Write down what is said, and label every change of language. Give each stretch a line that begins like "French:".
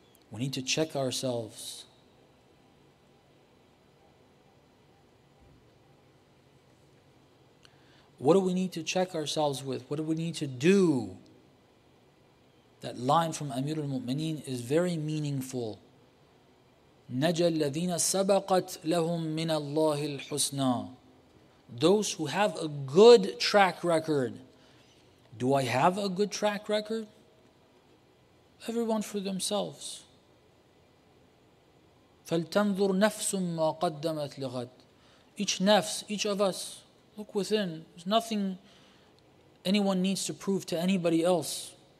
English: We need to check ourselves. What do we need to check ourselves with? What do we need to do? That line from Amir al-Mu'mineen is very meaningful.
Arabic: نجا الذين سبقت لهم من الله الحسنى.
English: Those who have a good track record. Do I have a good track record? Everyone for themselves.
Arabic: فلتنظر نفس ما قدمت لغد.
English: Each nafs, each of us, look within. There's nothing anyone needs to prove to anybody else.